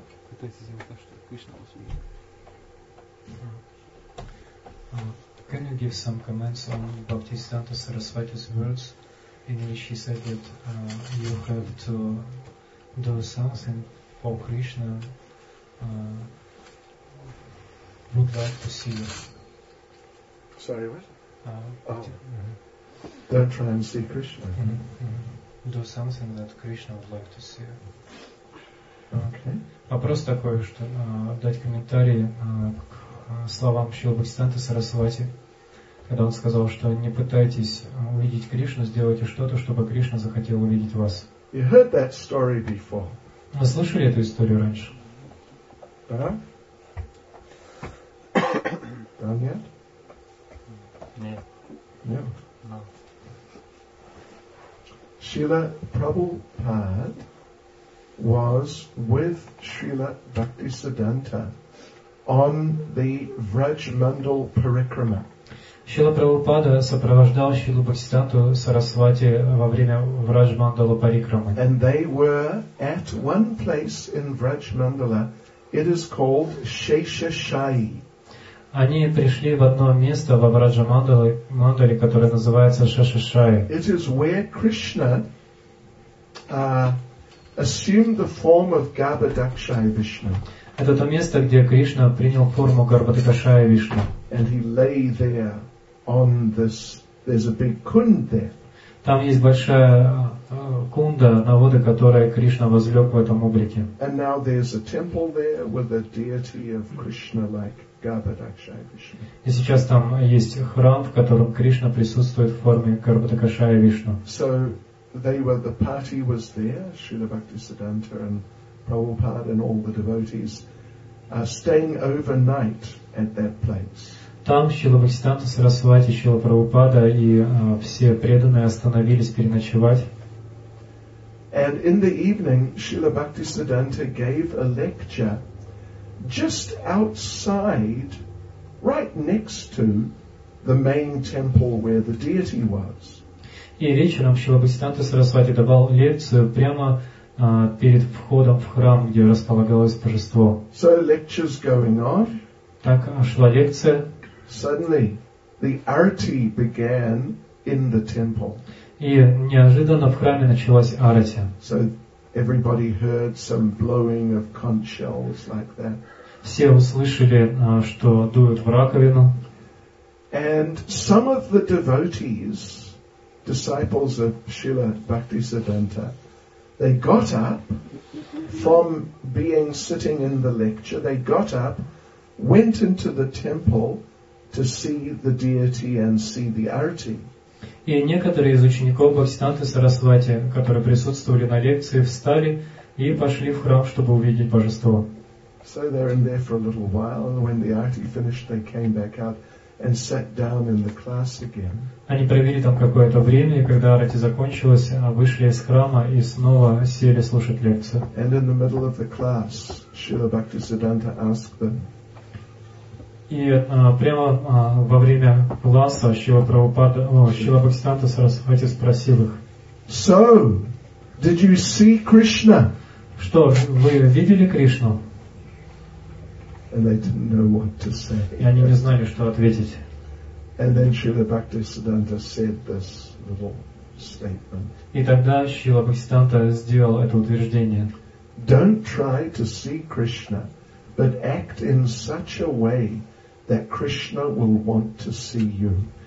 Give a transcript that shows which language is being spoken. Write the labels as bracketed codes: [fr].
[ru] Пытайтесь сделать так, что Кришна вас увидит. [en] Can you give some comments on Bhaktisiddhanta Saraswati's words in which he said that you have to do something for Krishna would like to see you? Sorry, what? They're trying to see Krishna. Mm-hmm. Mm-hmm. Do something that Krishna would like to see. Okay. [ru] Вопрос такой, что дать комментарии к словам Шрилы Бхактисиддханты Сарасвати, когда он сказал, что не пытайтесь увидеть Кришну, сделайте что-то, чтобы Кришна захотел увидеть вас. [en] You heard that story before. [ru] Вы слышали эту историю раньше? Да? Да, нет? Нет. [en] Шрила Прабхупад was with Srila Bhaktisiddhanta on the Vrajmandal Parikrama. [ru] Srila Prabhupada сопровождал Шрилу Бхактисидданту Сарасвати во время Враджмандала Парикрамы. [en] And they were at one place in Vrajmandala. It is called Sheshashayi. [ru] Они пришли в одно место во Враджмандале, которое называется Шешашайи. [en] It is where Krishna assumed the form of Garbhadakshaya Vishnu. [ru] Это то место, где Кришна принял форму Гарбхадакшая Вишну. [en] And he lay there on this. There's a big kund there. [ru] Там есть большая кунда на воде, которая Кришна возлег в этом облике. [en] And now there's a temple there with a deity of Krishna like Garbhadakshaya Vishnu. [ru] И сейчас там есть храм, в котором Кришна присутствует в форме Гарбхадакшая Вишну. [en] So they were, the party was there, Srila Bhaktisiddhanta and Prabhupada and all the devotees are staying overnight at that place. [ru] Там Srila Bhaktisiddhanta Saraswati, Srila Prabhupada и все преданные остановились переночевать. [en] And in the evening, Srila Bhaktisiddhanta gave a lecture just outside, right next to the main temple where the deity was. [ru] И вечером Шрила Бхактисиддханта Сарасвати давал лекцию прямо перед входом в храм, где располагалось божество. [en] So lectures going on. [ru] Так шла лекция. [en] Suddenly the arati began in the temple. [ru] И неожиданно в храме началась арати. [en] So everybody heard some blowing of conch shells like that. [ru] Все услышали, что дуют в раковину. [en] And some of the devotees, disciples of Srila Bhaktisiddhanta, they got up from being sitting in the lecture, they got up, went into the temple to see the deity and see the arati. [ru] И некоторые из учеников Бхактисиддханты Сарасвати, которые присутствовали на лекции, встали и пошли в храм, чтобы увидеть божество. [en] So they're in there for a little while, and when the arati finished, they came back out and sat down in the class again. [ru] Они провели там какое-то время, и когда арати закончилась, вышли из храма и снова сели слушать лекцию. [en] And in the middle of the class, Srila Bhaktisiddhanta asked them. [ru] И прямо во время класса Шрила Прабхупада, Шрила Бхактисиддханта Сарасвати спросил их. [en] So, did you see Krishna? [ru] Что, вы видели Кришну? [en] And they didn't know what to say. [ru] И они не знали, что ответить. [en] And then Srila Bhaktisiddhanta said this little statement. [ru] И тогда Шрила Бхактисиддханта сделал это утверждение. [en] Don't try to see Krishna, but act in such a way that Krishna will want to see you.